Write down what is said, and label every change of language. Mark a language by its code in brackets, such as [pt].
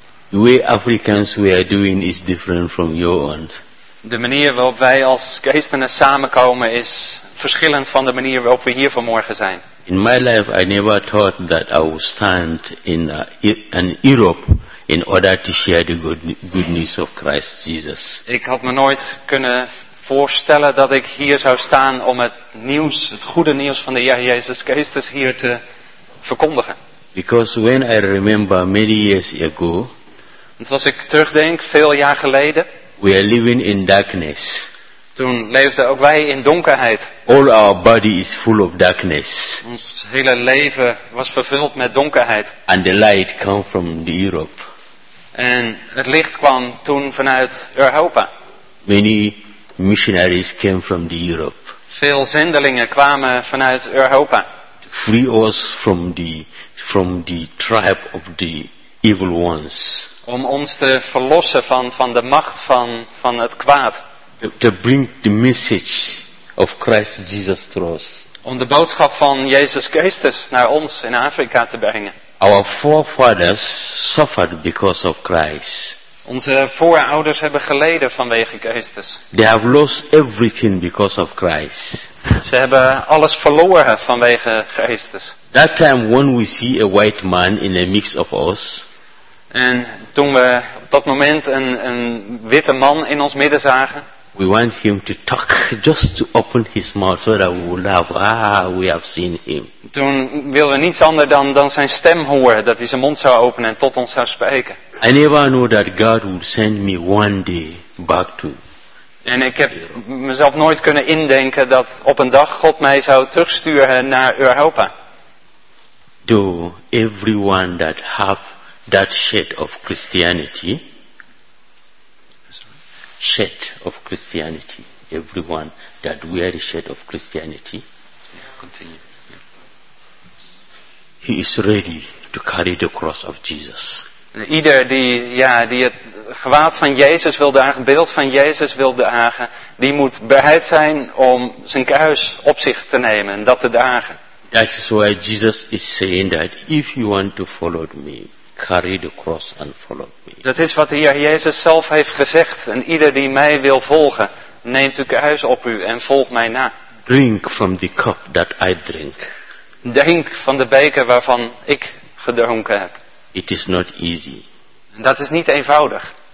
[en] The way Africans we are doing is different from your own. [nl] De manier waarop wij als geestenen samenkomen is verschillend van de manier waarop we hier vanmorgen zijn. [en] In my life I never thought that I would stand in Europe. In order to share the good news of Christ Jesus. [nl] Ik had me nooit kunnen voorstellen dat ik hier zou staan om het nieuws, het goede nieuws van de Heer Jezus Christus hier te verkondigen. [en] Because when I remember many years ago. [nl] Want als ik terugdenk, veel jaar geleden. [en] We are living in darkness. [nl] Toen leefden ook wij in donkerheid. [en] All our body is full of darkness. [nl] Ons hele leven was vervuld met donkerheid. [en] And the light came from the Europe. [nl] En het licht kwam toen vanuit Europa. [en] Many missionaries came from the Europe. [nl] Veel zendelingen kwamen vanuit Europa. [en] To free us from the tribe of the evil ones. [nl] Om ons te verlossen van de macht van het kwaad. [en] To bring the message of Christ Jesus to us. [nl] Om de boodschap van Jezus Christus naar ons in Afrika te brengen. [en] Our forefathers suffered because of Christ. [nl] Onze voorouders hebben geleden vanwege Christus. [en] They have lost everything because of Christ. [nl] Ze hebben alles verloren vanwege Christus. [en] That time when we see a white man in a mix of us. [nl] En toen we dat moment een witte man in ons midden zagen. [en] We want him to talk, just to open his mouth, so that we will laugh. Ah, we have seen him. [nl] Toen wilden we niets anders dan zijn stem horen, dat hij zijn mond zou openen en tot ons zou spreken. [en] I never knew that God would send me one day back to. [nl] En ik heb mezelf nooit kunnen indenken dat op een dag God mij zou terugsturen naar Europa. [en] Though everyone that have that shade of Christianity. Shade of Christianity. Everyone that wear the shade of Christianity. Continue. He is ready to carry the cross of Jesus. [nl] Ieder die, ja, die het gewaad van Jezus wil dragen, beeld van Jezus wil dragen, die moet bereid zijn om zijn kruis op zich te nemen en dat te dragen. [en] That is why Jesus is saying that if you want to follow me, carry the cross and follow me. [nl] Dat is wat de Heer Jezus zelf heeft gezegd. En ieder die mij wil volgen, neemt uw kruis op u en volg mij na. [en] Drink from the cup that I drink. [nl] Drink van de beker waarvan ik gedronken heb. [en] It is not easy. [nl] Dat is niet eenvoudig.